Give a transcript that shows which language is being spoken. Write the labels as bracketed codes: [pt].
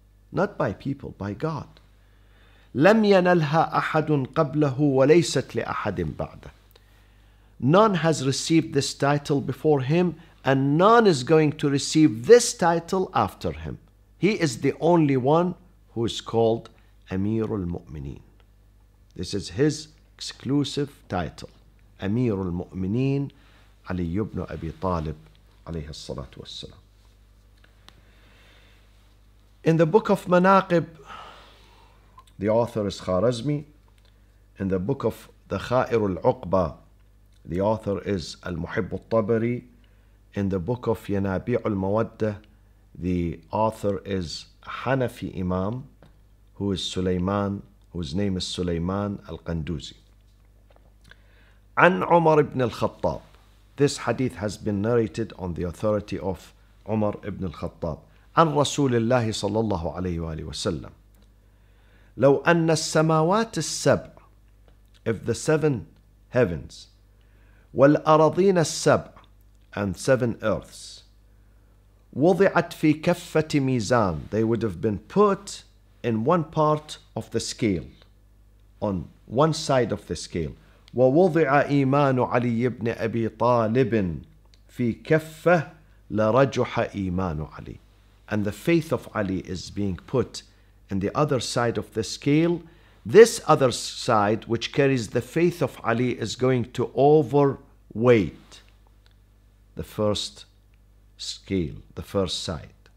[en] Not by people, by God. [ar] لَمْ يَنَلْهَا أَحَدٌ قَبْلَهُ وَلَيْسَتْ لِأَحَدٍ بَعْدَهُ. [en] None has received this title before him, and none is going to receive this title after him. He is the only one who is called أمير المؤمنين. This is his exclusive title. [ar] أمير المؤمنين علي بن أبي طالب عليه الصلاة والسلام. [en] In the book of Manaqib, the author is Khwarizmi. In the book of Dhakhair al-Uqba, the author is Al-Muhib al-Tabari. In the book of Yanabi' al-Mawadda, the author is Hanafi Imam, who is Sulaiman, whose name is Sulaiman al-Qanduzi. An Umar ibn al-Khattab. This hadith has been narrated on the authority of Umar ibn al-Khattab. [ar] عن رسول الله صلى الله عليه وآله وسلم لو أن السماوات السبع [en] if the seven heavens [ar] والأراضين السبع [en] and seven earths [ar] وضعت في كفة ميزان [en] they would have been put in one part of the scale on one side of the scale [ar] ووضع إيمان علي بن أبي طالب في كفة لرجح إيمان علي. [en] And the faith of Ali is being put in the other side of the scale. This other side, which carries the faith of Ali, is going to overweight the first scale, the first side.